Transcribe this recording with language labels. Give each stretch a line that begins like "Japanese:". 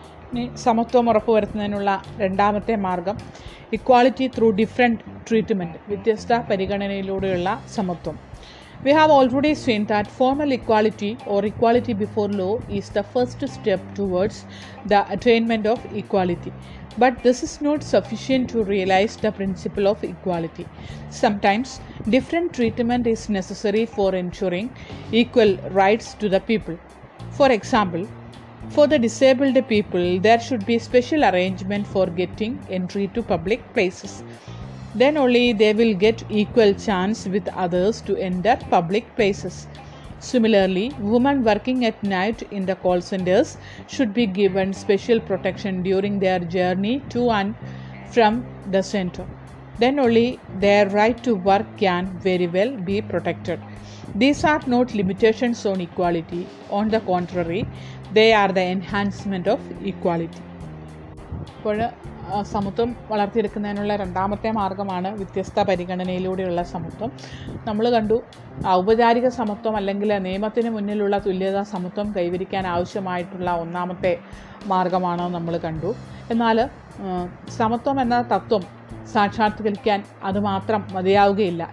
Malayalam: ഇനി സമത്വം ഉറപ്പുവരുത്തുന്നതിനുള്ള രണ്ടാമത്തെ മാർഗം,
English: equality through different treatment,
Malayalam: വ്യത്യസ്ത പരിഗണനയിലൂടെയുള്ള സമത്വം.
English: We have already seen that formal equality or equality before law is the first step towards the attainment of equality. But this is not sufficient to realize the principle of equality. Sometimes different treatment is necessary for ensuring equal rights to the people. For example, for the disabled people, there should be special arrangement for getting entry to public places. Then only they will get equal chance with others to enter public places. Similarly, women working at night in the call centers should be given special protection during their journey to and from the center. Then only their right to work can very well be protected. These are not limitations on equality. On the contrary, they are the enhancement of equality.
Malayalam: സമത്വം വളർത്തിയെടുക്കുന്നതിനുള്ള രണ്ടാമത്തെ മാർഗമാണ് വ്യത്യസ്ത പരിഗണനയിലൂടെയുള്ള സമത്വം. നമ്മൾ കണ്ടു ഔപചാരിക സമത്വം അല്ലെങ്കിൽ നിയമത്തിന് മുന്നിലുള്ള തുല്യത സമത്വം കൈവരിക്കാൻ ആവശ്യമായിട്ടുള്ള ഒന്നാമത്തെ മാർഗമാണ് നമ്മൾ കണ്ടു. എന്നാൽ സമത്വം എന്ന തത്വം സാക്ഷാത്കരിക്കാൻ അതുമാത്രം മതിയാവുകയില്ല.